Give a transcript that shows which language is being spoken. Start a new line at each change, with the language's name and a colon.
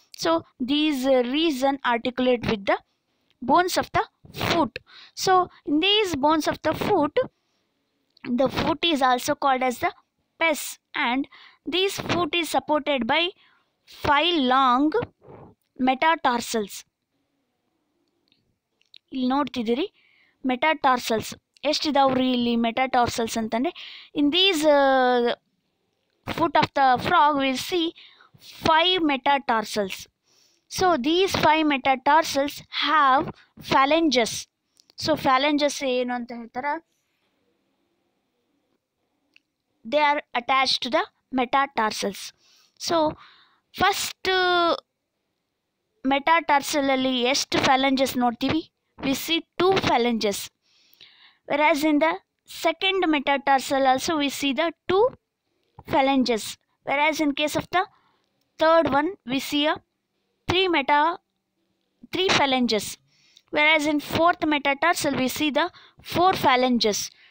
English: So, these region articulate with the bones of the foot. So, in these bones of the foot is also called as the pes. And this foot is supported by 5 long metatarsals.
Kannada: ಇಲ್ಲಿ ನೋಡ್ತಿದ್ದೀರಿ ಮೆಟಾಟಾರ್ಸಲ್ಸ್ ಎಷ್ಟಿದಾವ್ರಿ ಇಲ್ಲಿ ಮೆಟಾಟಾರ್ಸಲ್ಸ್ ಅಂತಂದರೆ
English: in these foot of the frog will see 5 metatarsals so these 5 metatarsals have phalanges so
Kannada: ಫ್ಯಾಲೆಂಜಸ್ ಏನು ಅಂತ ಹೇಳ್ತಾರೆ
English: they are attached to the metatarsals so
Kannada: first ಮೆಟಾಟಾರ್ಸಲಲ್ಲಿ ಎಷ್ಟು ಫ್ಯಾಲೆಂಜಸ್ ನೋಡ್ತೀವಿ
English: We see 2 phalanges. Whereas in the second metatarsal also we see the 2 phalanges. Whereas in case of the third one we see a 3 phalanges. Whereas in fourth metatarsal we see the 4 phalanges.